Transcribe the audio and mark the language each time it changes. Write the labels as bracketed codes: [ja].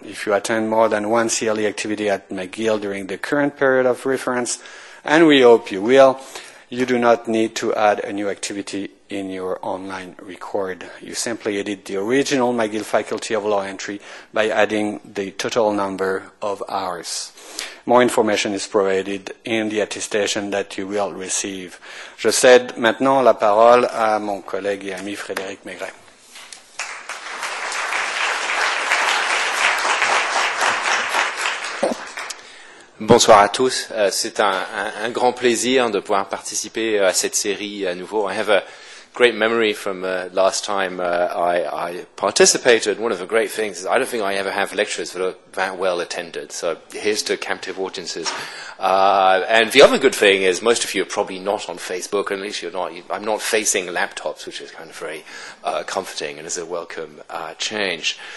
[en] If you attend more than one CLE activity at McGill during the current period of reference, and we hope you will, you do not need to add a new activity in your online record. You simply edit the original McGill Faculty of Law entry by adding the total number of hours. More information is provided in the attestation that you will receive. [fr] Je cède maintenant la parole à mon collègue et ami Frédéric Maigret. Bonsoir à tous. C'est un grand plaisir de pouvoir participer à cette série à nouveau. [en] I have a great memory from last time I participated. One of the great things is I don't think I ever have lectures that are that well attended. So here's to captive audiences. And the other good thing is most of you are probably not on Facebook, at least you're not. I'm not facing laptops, which is kind of very comforting and is a welcome change.